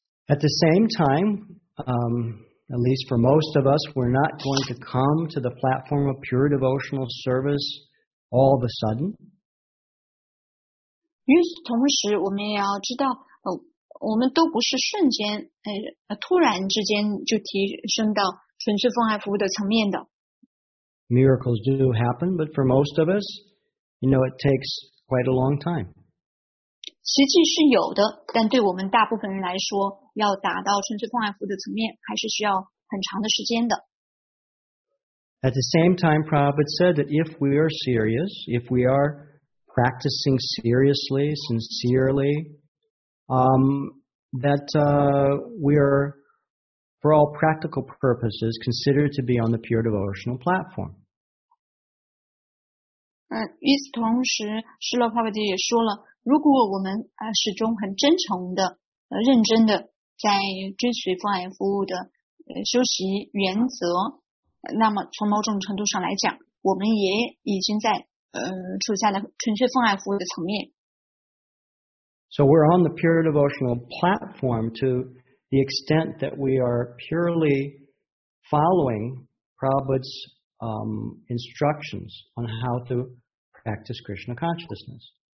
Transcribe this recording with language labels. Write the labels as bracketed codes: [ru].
[en] At the same time, At least for most of us, we're not going to come to the platform of pure devotional service all of a sudden. [zh] 与此同时，我们也要知道，我们都不是瞬间，突然之间就提升到纯粹奉爱服务的层面的。 [en] Miracles do happen, but for most of us, you know, it takes quite a long time. [zh] 奇迹是有的，但对我们大部分人来说，要达到纯粹奉爱服务的层面，还是需要很长的时间的。 [en] At the same time, Prabhupada said that if we are serious, if we are practicing seriously, sincerely, we are, for all practical purposes, considered to be on the pure devotional platform. [zh] 与此同时，释迦牟尼也说了，如果我们始终很真诚的、认真的。在追随奉爱服务的修习原则，那么从某种程度上来讲，我们也已经在处在了纯粹奉爱服务的层面。 [en] So we're on the pure devotional platform to the extent that we are purely following Prabhupada's instructions on how to practice Krishna consciousness.